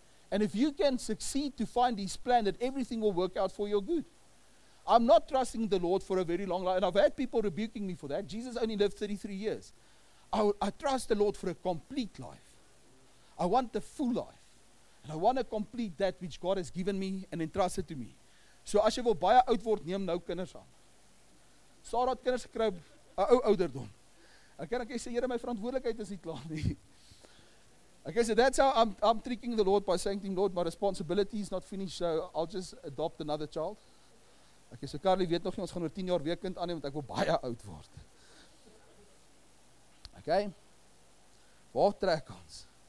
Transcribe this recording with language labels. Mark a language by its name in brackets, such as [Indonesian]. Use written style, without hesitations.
[English] And if you can succeed to find his plan, that everything will work out for your good. I'm not trusting the Lord for a very long life. And I've had people rebuking me for that. Jesus only lived 33 years. I trust the Lord for a complete life. I want the full life. And I want to complete that which God has given me and entrusted to me. [Afrikaans] So as jy wil baie oud word, neem nou kinders aan. Sarah het kinders gekry, ou ouderdom. Ek sê, Here, my verantwoordelikheid is nie klaar nie. [English] Okay, so that's how I'm tricking the Lord by saying to him, Lord, my responsibility is not finished, so I'll just adopt another child. [Afrikaans] Okay, so Carly weet nog nie, ons gaan oor 10 jaar weer kind aanneem, want ek wil baie oud word. Okay, waar trek ons?